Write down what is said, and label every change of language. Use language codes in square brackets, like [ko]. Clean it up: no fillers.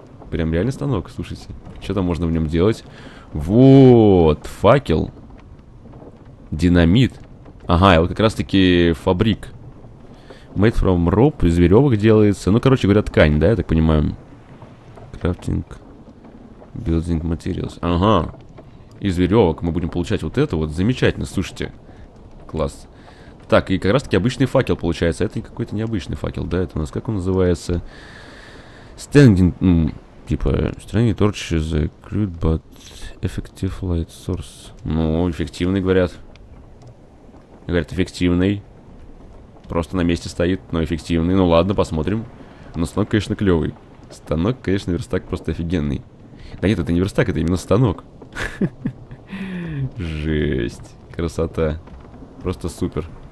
[ru] Прям реальный станок, слушайте. Что там можно в нем делать? Вот, факел. Динамит. Ага, вот как раз-таки фабрик. [en] Made from rope, [ru] из веревок делается. Ну, короче говоря, ткань, да, я так понимаю. [en] Crafting building materials. [ru] Ага. Из веревок мы будем получать вот это вот. Замечательно, слушайте. Класс. Так, и как раз-таки обычный факел получается. Это какой-то необычный факел, да? Это у нас, как он называется? [en] Standing... [ru] Типа, [en] Standing Torch is a crude but effective light source. [ru] Ну, эффективный, говорят. Говорят, эффективный. Просто на месте стоит, но эффективный. Ну ладно, посмотрим. Но станок, конечно, клевый. Станок, конечно, верстак просто офигенный. Да нет, это не верстак, это именно станок. Жесть. Красота. Просто супер.